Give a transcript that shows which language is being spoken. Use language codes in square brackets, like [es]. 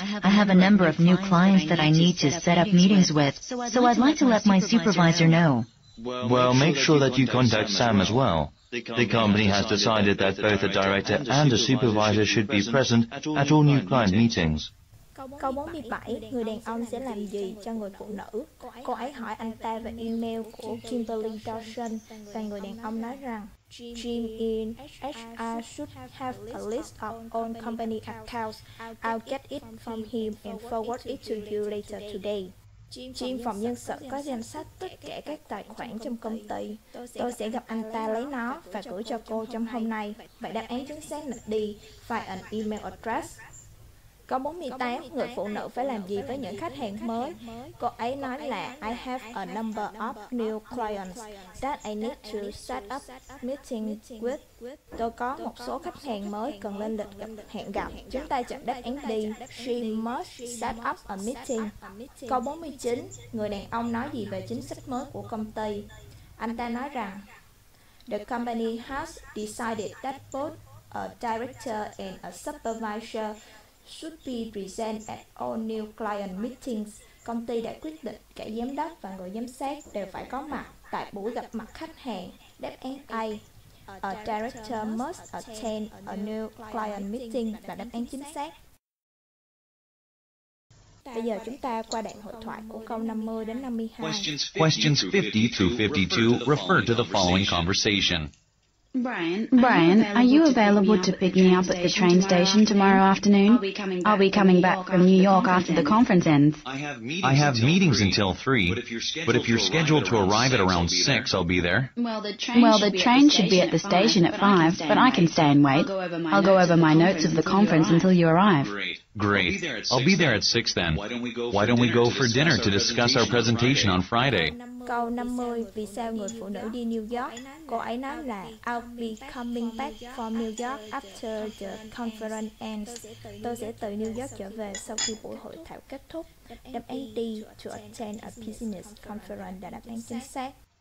[en] I have a number of new clients that I need to set up meetings with, so I'd like to let my supervisor know. Well, make sure that you contact Sam as well. The company has decided that both a director and a supervisor should be present at all new client meetings. [vi] Câu 47, người đàn ông sẽ làm gì cho người phụ nữ? Cô ấy hỏi anh ta về email của Kimberly Dawson và người đàn ông nói rằng [en] Jim in HR should have a list of all company accounts. I'll get it from him and forward it to you later today. [vi] Jim phòng nhân sự có danh sách tất cả các tài khoản trong công ty. Tôi sẽ gặp anh ta lấy nó và gửi cho cô trong hôm nay. Vậy đáp án chính xác là đi, phải [en] an email address. [vi] Câu 48, người phụ nữ phải làm gì với những khách hàng mới? Cô ấy nói là [en] I have a number of new clients that I need to set up meeting with. [vi] Tôi có một số khách hàng mới cần lên lịch hẹn gặp. Chúng ta chọn đáp án đi. [en] She must set up a meeting. [vi] Câu 49, người đàn ông nói gì về chính sách mới của công ty? Anh ta nói rằng [en] the company has decided that both a director and a supervisor should be present at all new client meetings. [vi] Công ty đã quyết định cả giám đốc và người giám sát đều phải có mặt tại buổi gặp mặt khách hàng. Đáp án A. [en] A director must attend a new client meeting [vi] là đáp án chính xác. Bây giờ chúng ta qua đoạn hội thoại của câu 50 đến 52. [en] Questions 50 through 52 refer to the following conversation. Brian, are you available to pick me up at the train station tomorrow afternoon? Are we coming back from New York after the conference ends? I have meetings until 3, but if you're scheduled to arrive at around 6, I'll be there. Well, the train should be at the station at 5, but I can stay and wait. I'll go over my notes of the conference until you arrive. Great. I'll be there at 6 then. Why don't we go for dinner to discuss our presentation on Friday? [vi] Câu 50, vì sao người phụ nữ đi New York? Cô ấy nói là [en] I'll be coming back from New York after the conference ends. [vi] Tôi sẽ từ New York trở về sau khi buổi hội thảo kết thúc. Đáp án D, [en] to attend a business conference, [vi] là đáp án chính xác.